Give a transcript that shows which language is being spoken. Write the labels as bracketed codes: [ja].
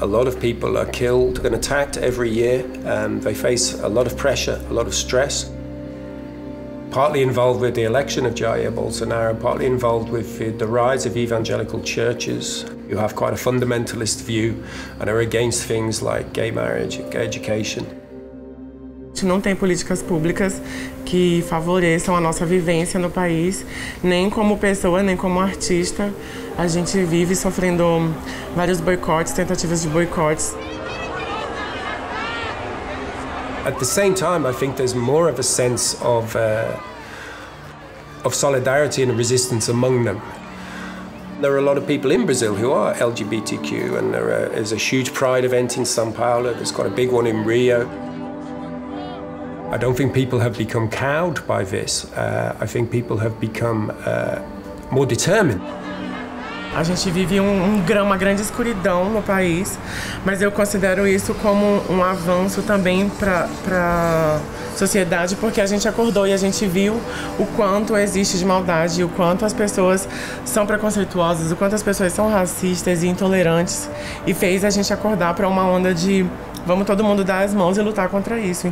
[en] A lot of people are killed and attacked every year. They face a lot of pressure, a lot of stress. Partly involved with the election of Jair Bolsonaro, partly involved with the rise of evangelical churches, who have quite a fundamentalist view and are against things like gay marriage, gay education. [pt] A gente não tem políticas públicas que favoreçam a nossa vivência no país, nem como pessoa, nem como artista. A gente vive sofrendo vários boicotes, tentativas de boicotes. [en] At the same time, I think there's more of a sense of solidarity and resistance among them. There are a lot of people in Brazil who are LGBTQ, and there's a huge pride event in São Paulo. There's quite a big one in Rio. I don't think people have become cowed by this. I think people have become more determined. [pt] A gente vive uma grande escuridão no país, mas eu considero isso como um avanço também para a sociedade, porque a gente acordou e a gente viu o quanto existe de maldade, o quanto as pessoas são preconceituosas, o quanto as pessoas são racistas e intolerantes, e fez a gente acordar para uma onda de vamos todo mundo dar as mãos e lutar contra isso.